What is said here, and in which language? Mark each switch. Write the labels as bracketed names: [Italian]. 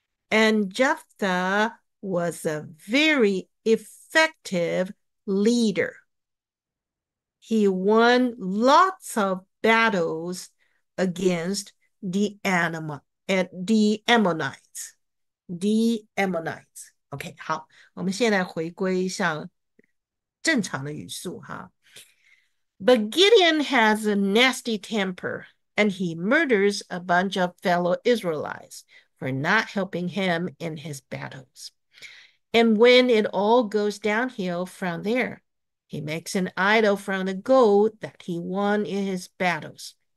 [English] And Jephthah was a very effective leader. He won lots of battles against the Ammonites. [Chinese] OK，好，我们现在回归上正常的语速哈。 [English] But Gideon has a nasty temper, and he murders a bunch of fellow Israelites for not helping him in his battles. And when it all goes downhill from there, he makes an idol from the gold that he won in his battles.